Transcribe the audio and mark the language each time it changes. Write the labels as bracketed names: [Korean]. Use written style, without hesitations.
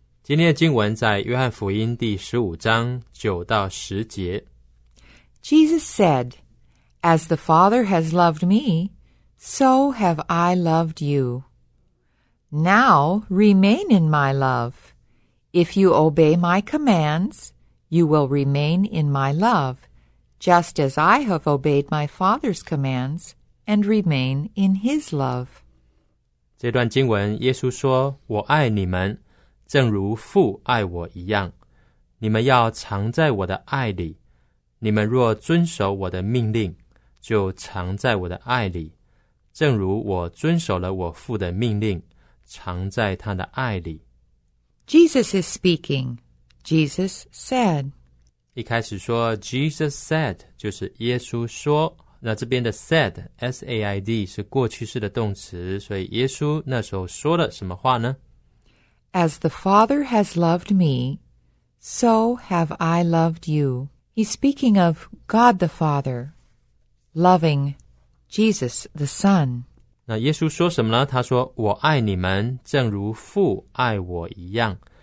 [Chinese] 今天的经文在约翰福音第15章9到10节。 [English] Jesus said, As the Father has loved me, so have I loved you. Now remain in my love. If you obey my commands, you will remain in my love, just as I have obeyed my Father's commands and remain in his love. [Chinese] 这段经文耶稣说，我爱你们，正如父爱我一样，你们要常在我的爱里。你们若遵守我的命令，就常在我的爱里，正如我遵守了我父的命令，常在他的爱里。 [English] Jesus is speaking. Jesus said. [Chinese] 一开始说 [English] Jesus said, [Chinese] 就是耶稣说。那这边的 said, S-A-I-D, 是过去式的动词，所以耶稣那时候说了什么话呢？ [English] As the Father has loved me, so have I loved you. He's speaking of God the Father, loving Jesus the Son. [Chinese] 那耶稣说什么呢？他说，我爱你们，正如父爱我一样。